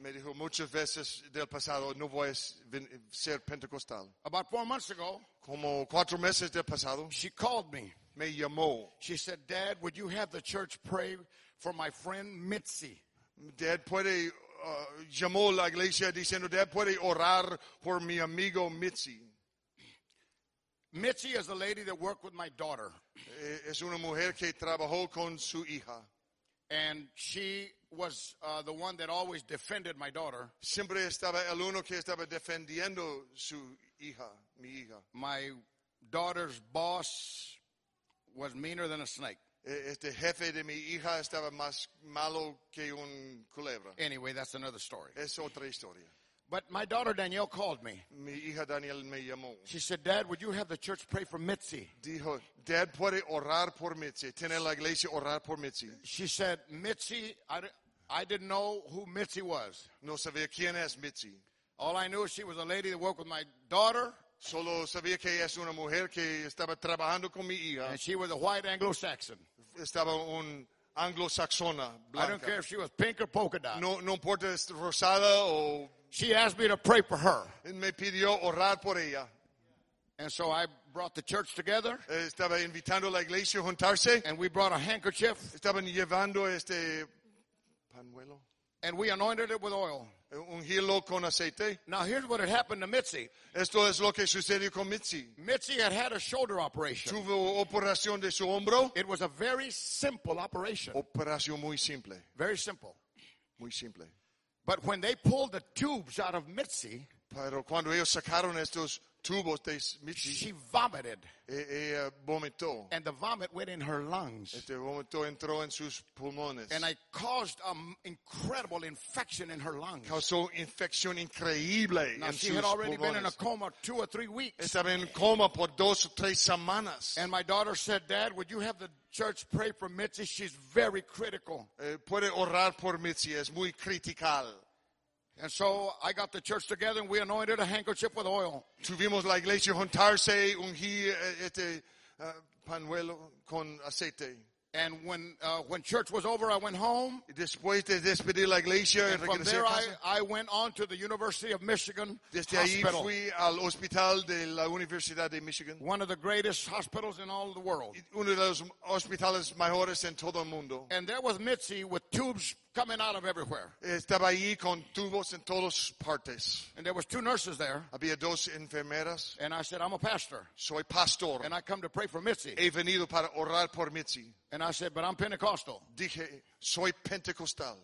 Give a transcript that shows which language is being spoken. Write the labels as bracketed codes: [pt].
[es] Me dijo muchas veces del pasado, no voy a ser Pentecostal. [en] About 4 months ago. [es] Como 4 meses del pasado. [en] She called me. [es] Me llamó. [en] She said, Dad, would you have the church pray for my friend Mitzi? [es] Dad, puede, llamó la iglesia diciendo, Dad, puede orar por mi amigo Mitzi. [en] Mitzi is the lady that worked with my daughter. [es] Es una mujer que trabajó con su hija. [en] And she was the one that always defended my daughter. [es] Siempre estaba el uno que estaba defendiendo su hija, mi hija. [en] My daughter's boss was meaner than a snake. [es] Este jefe de mi hija estaba más malo que un culebra. [en] Anyway, that's another story. [es] Es otra historia. [en] But my daughter Danielle called me. [es] Mi hija Danielle me llamó. [en] She said, Dad, would you have the church pray for Mitzi? [es] Dijo, Dad, puede orar por Mitzi. Tiene la iglesia orar por Mitzi. [en] She said, Mitzi, I didn't know who Mitzi was. [es] No sabía quién es Mitzi. [en] All I knew, she was a lady that worked with my daughter. [es] Solo sabía que es una mujer que estaba trabajando con mi hija. [en] And she was a white Anglo-Saxon. [es] Estaba un anglo-saxona blanca. [en] I don't care if she was pink or polka dot. [es] No importa si es rosada o... [en] She asked me to pray for her. [es] Y me pidió orar por ella. [en] And so I brought the church together. [es] Estaba invitando la iglesia a juntarse. [en] And we brought a handkerchief. [es] Estaban llevando este pañuelo. [en] And we anointed it with oil. [es] Ungirlo con aceite. [en] Now here's what had happened to Mitzi. [es] Esto es lo que sucedió con Mitzi. [en] Mitzi had had a shoulder operation. [es] Tuvo operación de su hombro. [en] It was a very simple operation. [es] Operación muy simple. [en] Very simple. [es] Muy simple. [en] But when they pulled the tubes out of Mitzi, [es] pero cuando ellos sacaron estos tubos de Mitzi, [en] she vomited. [es] Ella vomitó. [en] And the vomit went in her lungs. [es] Este vomito entró en sus pulmones. [en] And it caused an incredible infection in her lungs. [es] Causó infección increíble [en] now, [es] en [en] she [es] sus [en] had already [es] pulmones. [en] Been in a coma 2 or 3 weeks. [es] Estaba en coma por 2 o 3 semanas. [en] And my daughter said, Dad, would you have the church pray for Mitzi? She's very critical. [es] Puede orar por Mitzi. Es muy critical. [en] And so I got the church together and we anointed a handkerchief with oil. [es] Tuvimos la iglesia juntarse, ungir este pañuelo con aceite. [en] And when church was over, I went home. [es] Después de despedir la iglesia, [en] and from there I went on to the University of Michigan [es] Desde [en] Hospital. [es] Ahí fui al hospital de la Universidad de Michigan. [en] One of the greatest hospitals in all the world. [es] Uno de los hospitales mejores en todo el mundo. [en] And there was Mitzi with tubes coming out of everywhere. [es] Estaba ahí con tubos en todas partes. [en] And there was two nurses there. [es] Había dos enfermeras. [en] And I said, I'm a pastor. [es] Soy pastor. [en] And I come to pray for Mitzi. [es] He venido para orar por Mitzi. [en] And I said, but I'm Pentecostal. [es] Dije, soy Pentecostal.